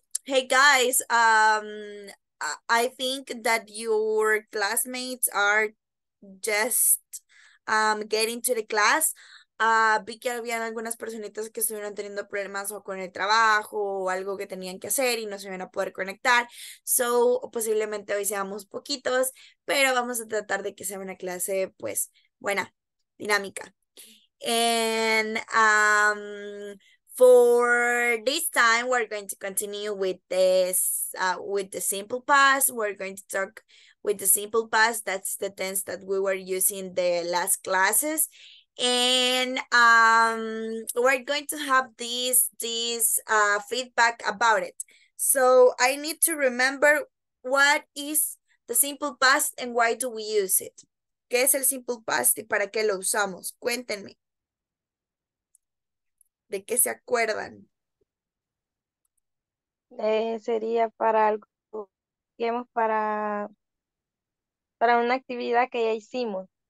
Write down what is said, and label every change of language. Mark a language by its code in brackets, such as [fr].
[en] Hey guys, I think that your classmates are just getting to the class. [es] Vi que habían algunas personitas que estuvieron teniendo problemas o con el trabajo o algo que tenían que hacer y no se iban a poder conectar. So, posiblemente hoy seamos poquitos, pero vamos a tratar de que sea una clase, pues, buena, dinámica. [en] And for this time, we're going to continue with the simple past. We're going to talk with the simple past. That's the tense that we were using the last classes. And we're going to have this feedback about it. So I need to remember what is the simple past and why do we use it. [es] ¿Qué es el simple past y para qué lo usamos? Cuéntenme. ¿De qué se acuerdan? Sería para algo, digamos, para una actividad que ya hicimos.